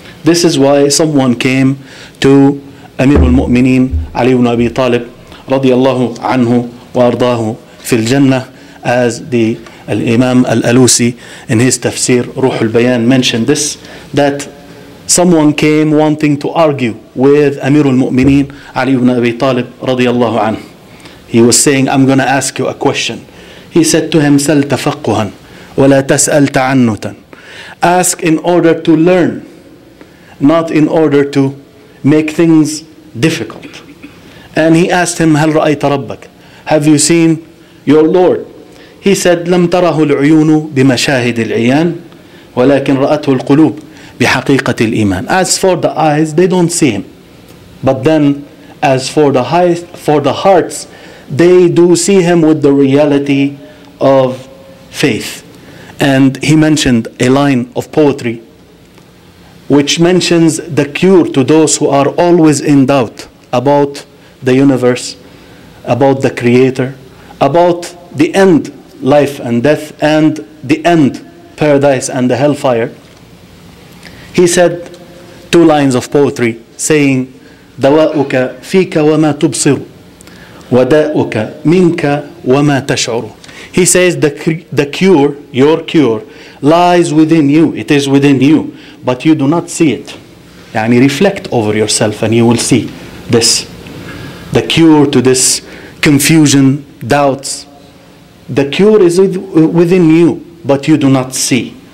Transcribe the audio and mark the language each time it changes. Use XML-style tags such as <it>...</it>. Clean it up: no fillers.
<en>This is why someone came to Amir al-Mu'mineen Ali ibn Abi Talib radiyallahu anhu wa ardahu fi al-Jannah, as the Imam al-Alusi in his tafsir Ruh al-Bayan mentioned this, that someone came wanting to argue with Amir al-Mu'mineen Ali ibn Abi Talib radiyallahu anhu. He was saying, I'm going to ask you a question.</en> <ar>He said to him, سَلْ تَفَقُّهًا وَلَا تَسْأَلْ تَعَنُّتًا.</ar> <en>Ask in order to learn, not in order to make things difficult.</en> <ar>And he asked him, هَلْ رَأَيْتَ رَبَّكَ.</ar> <en>Have you seen your Lord?</en> <ar>He said, لَمْ تَرَهُ الْعُيُونُ بِمَشَاهِدِ الْعِيَانِ وَلَكِنْ رَأَتْهُ الْقُلُوبِ بِحَقِيقَةِ الْإِيمَانِ.</ar> <en>As for the eyes, they don't see him. But then, as for the highest, for the hearts, they do see him with the reality of faith. And he mentioned a line of poetry which mentions the cure to those who are always in doubt about the universe, about the creator, about the end, life and death, and the end, paradise and the hellfire.</en> <ar>He said two lines of poetry saying, دواءك فيك وما تبصر وداءك منك وما تشعر.</ar> <en>He says your cure lies within you. It is within you, but you do not see it. يعني reflect over yourself and you will see this. The cure to this confusion, doubts, the cure is within you, but you do not see.</en>